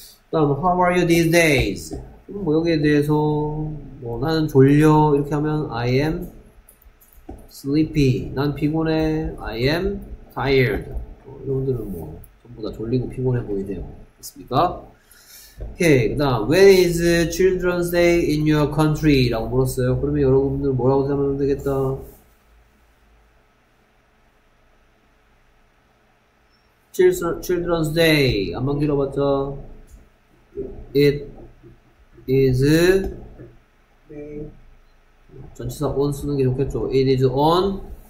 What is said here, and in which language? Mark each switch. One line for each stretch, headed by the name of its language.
Korean: 다음
English: How are you these days?
Korean: 뭐 여기에 대해서 뭐 나는 졸려 이렇게 하면
English: I am sleepy.
Korean: 난 피곤해.
English: I am tired.
Korean: 여러분들은 뭐 전부 다 졸리고 피곤해 보이네요. 있습니까? 오케이. 그다음
English: When is Children's Day in your country?
Korean: 라고 물었어요. 그러면 여러분들 뭐라고 생각하면 되겠다? 'Children's Day' 한번 길어봤자 'It is' 전치사 on 쓰는 게 좋겠죠.
English: 'It is on'